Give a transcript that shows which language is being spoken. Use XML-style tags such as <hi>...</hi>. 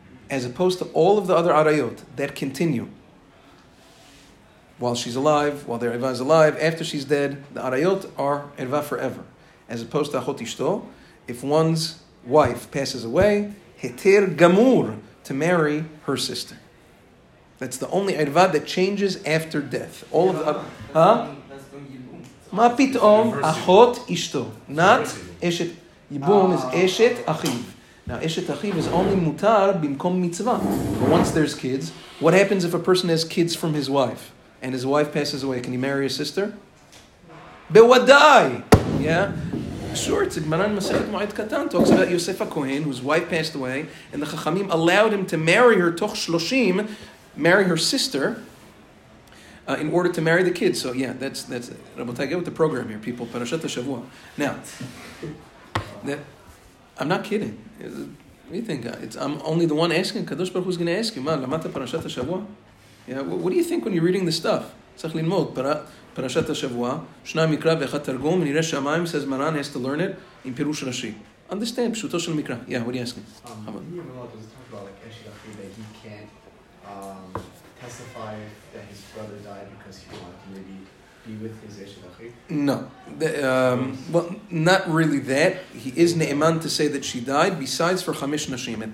<en>As opposed to all of the other arayot that continue. While she's alive, while their erva is alive, after she's dead, the arayot are erva forever. As opposed to achot ishto, if one's wife passes away, heter gamur, to marry her sister. That's the only erva that changes after death. All of the... Huh? That's going to yibum.</en> <he>מה פתאום אחות אשתו? Not אשת. יבום is אשת אחיו. Now, אשת אחיו</he> <en>is only</en> <he>מותר במקום מצווה.</he> <en>But once there's kids, what happens if a person has kids from his wife? And his wife passes away, can he marry his sister?</en> <he>בוודאי!</he> <en>Yeah? Sure, it's a Gemara in Masechet Moed Katan. Talks about Yosef HaKohen, whose wife passed away, and the Chachamim allowed him to marry her toch shloshim, marry her sister, in order to marry the kids. So yeah, that's it. Rabotai, get with the program here, people. Parashat HaShavua. Now, I'm not kidding. What do you think? I'm only the one asking. Kadosh Baruch Hu's going to ask you.</en> <he>Ma, lamata Parashat HaShavua?</he> <en>Yeah, what do you think when you're reading this stuff?</en> <he>צריך ללמוד, פרשת השבוע, שניים מקרא ואחד תרגום, נראה שהמיים,</he> <en>says Maran, has to learn it,</en> <he>עם פירוש ראשי. Understand, פשוטו של מקרא.</he> <en>Yeah, what do you ask me? Does it talk about, like, actually, that he can't testify that his brother died because he wanted to maybe be with his Eshet Achiv? No. Well, not really that. He is Ne'eman to say that she died, besides for Chamesh Nashim.</en>